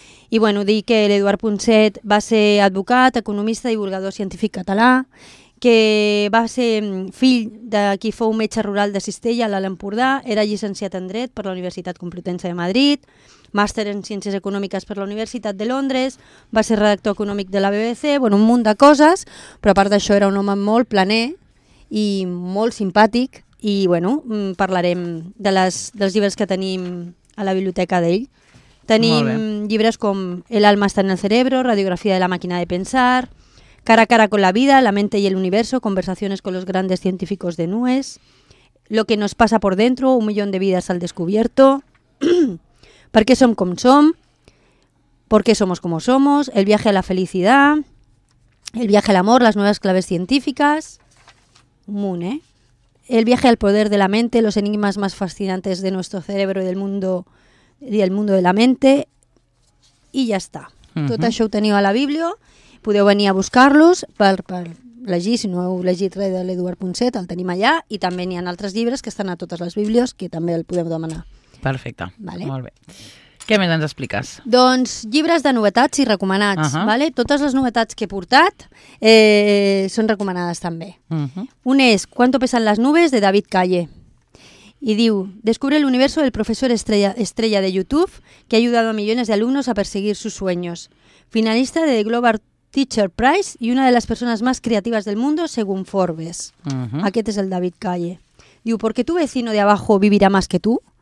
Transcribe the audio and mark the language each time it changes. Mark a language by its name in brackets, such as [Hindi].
[Catalan] I bueno, dir que l'Eduard Ponset va ser advocat, economista, divulgador científic català, que va ser fill de qui fou metge rural de Cistella, a l'Alt Empordà, era llicenciat en dret per la Universitat Complutense de Madrid, màster en Ciències Econòmiques per la Universitat de Londres, va ser redactor econòmic de la BBC, bueno, un munt de coses, però a part d'això era un home molt planer i molt simpàtic. I bueno, parlarem dels llibres que tenim a la biblioteca d'ell, [Spanish] Tenim llibres com El alma está en el cerebro, Radiografía de la máquina de pensar, Cara a cara con la vida, La mente y el universo, Conversaciones con los grandes científicos de Nuez, Lo que nos pasa por dentro, Un millón de vidas al descubierto, Per què som com som, Por qué somos como somos, El viaje a la felicidad, El viaje al amor, Las nuevas claves científicas, Moon, ¿eh? El viaje al poder de la mente, Los enigmas más fascinantes de nuestro cerebro y del mundo, de la mente, y ya está. [Catalan] Tot això ho teniu a la Biblio, podeu venir a buscar-los per llegir, si no heu llegit res de l'Eduard Ponset, el tenim allà, i també n'hi ha altres llibres que estan a totes les Biblios que també el podeu demanar. Perfecte, vale. Molt bé. Què més ens expliques? Doncs llibres de novetats i recomanats. Vale? Totes les novetats que he portat són recomanades també. Un és Cuánto pesan las nubes, de David Calle. [Spanish] I diu, descubre el universo del profesor estrella de YouTube que ha ayudado a millones de alumnos a perseguir sus sueños. Finalista de The Global Teacher Prize y una de las personas más creativas del mundo, según Forbes. [Catalan] Aquest és el David Calle. Diu, [Spanish] ¿por qué tu vecino de abajo vivirá más que tú?